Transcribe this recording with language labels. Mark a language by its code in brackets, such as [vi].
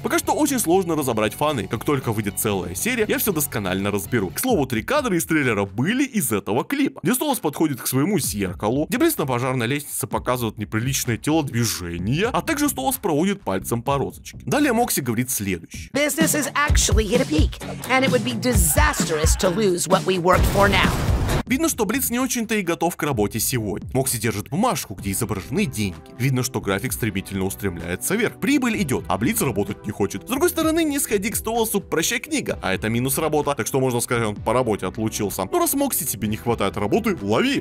[ru] Пока что очень сложно разобрать фаны. Как только выйдет целая серия, я все досконально разберу. К слову, три кадра из трейлера были из этого клипа, где Столас подходит к своему зеркалу, где Блиц на пожарной лестнице показывает неприличное телодвижение, а также Столас проводит пальцем по розочке. Далее Мокси говорит следующее. [en] Business is actually hit a peak, and it would be disastrous to lose what we worked for now. [ru] Видно, что Блиц не очень-то и готов к работе сегодня. Мокси держит бумажку, где изображены деньги. Видно, что график стремительно устремляется вверх. Прибыль идет, а Блиц работать не хочет. С другой стороны, не сходи к Столасу, прощай книга. А это минус работа. Так что можно сказать, он по работе отлучился. Но раз Мокси тебе не хватает работы, лови.